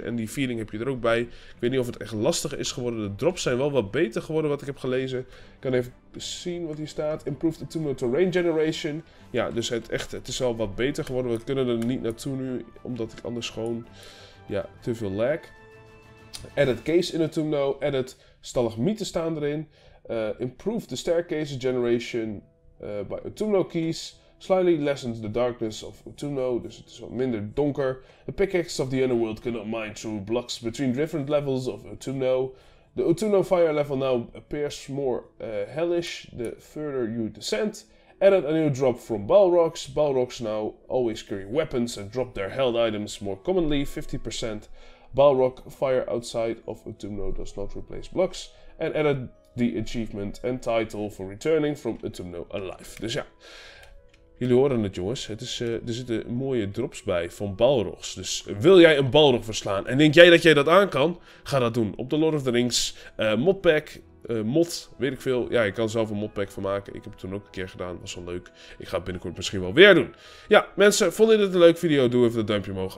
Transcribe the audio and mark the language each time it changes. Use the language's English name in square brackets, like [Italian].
[Dutch] En die feeling heb je er ook bij. Ik weet niet of het echt lastiger is geworden. De drops zijn wel wat beter geworden wat ik heb gelezen. Ik kan even zien wat hier staat. [English] Improved Utumno Terrain Generation. [Dutch] Ja, dus het is wel wat beter geworden. We kunnen er niet naartoe nu. Omdat ik anders gewoon te veel lag. [English] Edit case in Utumno. Edit [Dutch] stalagmieten staan erin. [English] Improve the staircase generation by Utumno keys. Slightly lessens the darkness of Utumno. [Dutch] Dus het is wat minder donker. [English] The pickaxe of the underworld cannot mine through blocks between different levels of Utumno. The Utumno fire level now appears more hellish the further you descend. Added a new drop from Balrogs. Balrogs now always carry weapons and drop their held items more commonly, 50%. Balrog fire outside of Utumno does not replace blocks. And added the achievement and title for returning from Utumno alive. [Dutch] Dus ja, Jullie horen het, jongens. Het is, er zitten mooie drops bij van Balrogs. Dus wil jij een Balrog verslaan en denk jij dat jij dat aan kan? Ga dat doen op de Lord of the Rings modpack. Mod, weet ik veel. Ja, je kan zelf een modpack van maken. Ik heb het toen ook een keer gedaan. Was wel leuk. Ik ga het binnenkort misschien wel weer doen. Ja, mensen, vond je dit een leuke video? Doe even een duimpje omhoog.